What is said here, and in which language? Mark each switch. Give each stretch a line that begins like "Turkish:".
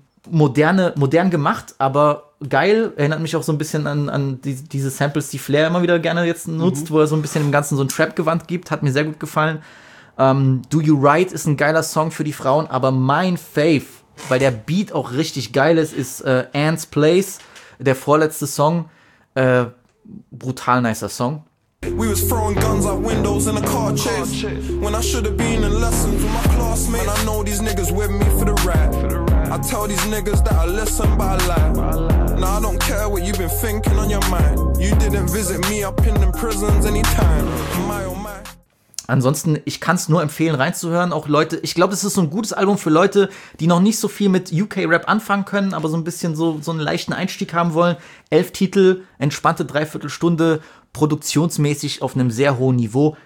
German: Modern gemacht, aber geil, erinnert mich auch so ein bisschen an diese Samples, die Flair immer wieder gerne jetzt nutzt, wo er so ein bisschen im Ganzen so ein Trap-Gewand gibt, hat mir sehr gut gefallen. Do You Right ist ein geiler Song für die Frauen, aber mein Fave, weil der Beat auch richtig geil ist, ist Anne's Place, der vorletzte Song. Brutal nicer Song.
English: We was throwing guns out windows in a car chase. When I should have been in lessons with my classmates. And I know these niggas with me for the rap. I tell these niggas that I listen but I lie. Nah, I don't care what you've been thinking on your mind. You didn't visit me up in them prisons anytime. My oh my.
German: Ansonsten, ich kann es nur empfehlen, reinzuhören. Auch Leute, ich glaube, es ist so ein gutes Album für Leute, die noch nicht so viel mit UK-Rap anfangen können, aber so ein bisschen so einen leichten Einstieg haben wollen. 11 Titel, entspannte Dreiviertelstunde, produktionsmäßig auf einem sehr hohen Niveau.